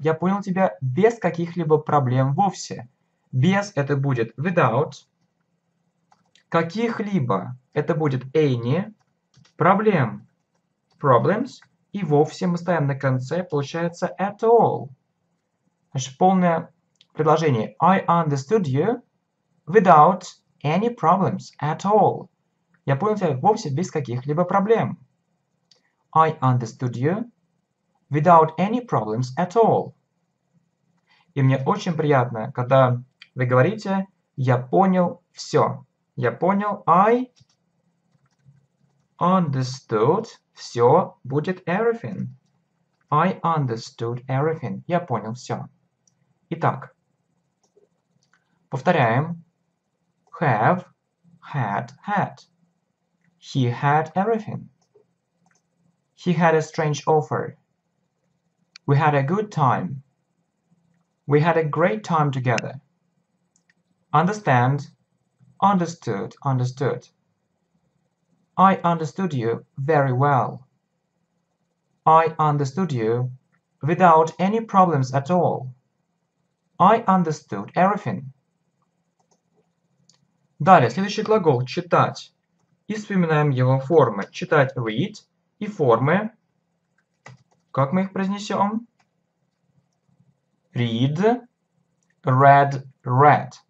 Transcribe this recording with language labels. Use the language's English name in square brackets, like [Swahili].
[Russian] Я понял тебя без каких-либо проблем вовсе. Без это будет without. Каких-либо это будет any. Проблем. Problems, и вовсе мы ставим на конце, получается, [English] at all. [Russian] Значит, полное предложение. [English] I understood you without any problems at all. [Russian] Я понял тебя вовсе без каких-либо проблем. [English] I understood you without any problems at all. [Russian] И мне очень приятно, когда вы говорите, я понял все. Я понял, [English] I understood. [Russian] Все будет everything. [English] I understood everything. [Russian] Я понял все. Итак, повторяем. [English] Have, had, had. He had everything. He had a strange offer. We had a good time. We had a great time together. Understand, understood, understood. I understood you very well. I understood you without any problems at all. I understood everything. [Russian] Далее, следующий глагол – читать. И вспоминаем его формы. Читать – read. И формы. Как мы их произнесем? Read. Read. Read.